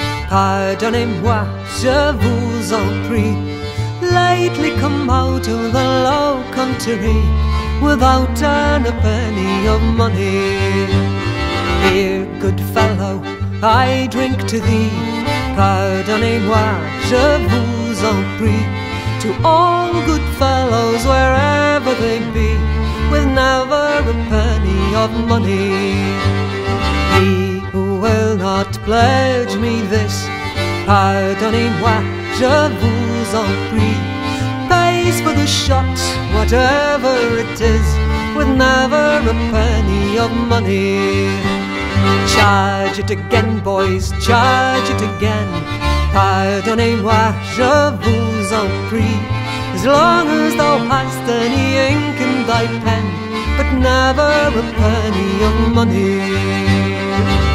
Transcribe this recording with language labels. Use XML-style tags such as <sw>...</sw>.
<fr>Pardonnez-moi, je vous en prie.</fr> <en>Lately come out of the low country without an a penny of money. Here, good fellow, I drink to thee.</en> <fr>Pardonnez-moi, je vous en prie.</fr> <en>To all good fellows, wherever they be, with never a penny of money. He who will not pledge me this,</en> <fr>pardonnez-moi, je vous en prie,</fr> <en>pays for the shot, whatever it is, with never a penny of money. Charge it again, boys, charge it again.</en> <fr>Pardonnez-moi, je vous en prie.</fr> <en>As long as thou hast any ink in thy pen, but never a penny of money.</en>